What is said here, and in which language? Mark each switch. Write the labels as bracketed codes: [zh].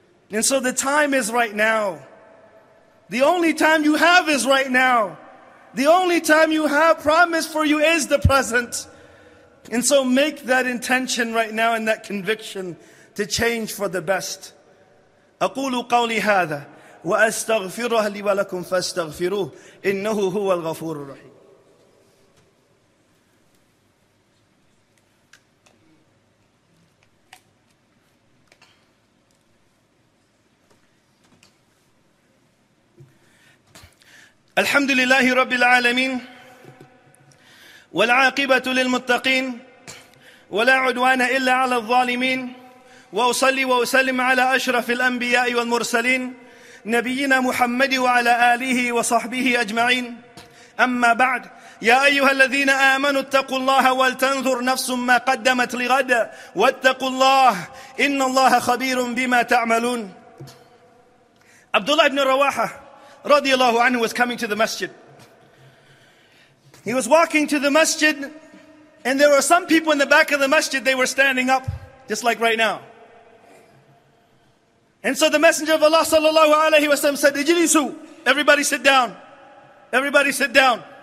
[en] And so the time is right now. The only time you have is right now. The only time you have promised for you is the present. And so make that intention right now and that conviction to change for the best. [ar] أقول قولي هذا وأستغفره لي ولكم فاستغفروه إنه هو الغفور الرحيم. الحمد لله رب العالمين والعاقبة للمتقين ولا عدوان إلا على الظالمين وأصلي وأسلم على أشرف الأنبياء والمرسلين نبينا محمد وعلى آله وصحبه أجمعين. أما بعد, يا أيها الذين آمنوا اتقوا الله ولتنظر نفس ما قدمت لغد واتقوا الله إن الله خبير بما تعملون. [en] عبد الله بن رواحة radiallahu anhu was coming to the masjid. He was walking to the masjid, and there were some people in the back of the masjid, they were standing up, just like right now. And so the Messenger of Allah sallallahu alayhi wa sallam said, ijlisu, everybody sit down. Everybody sit down.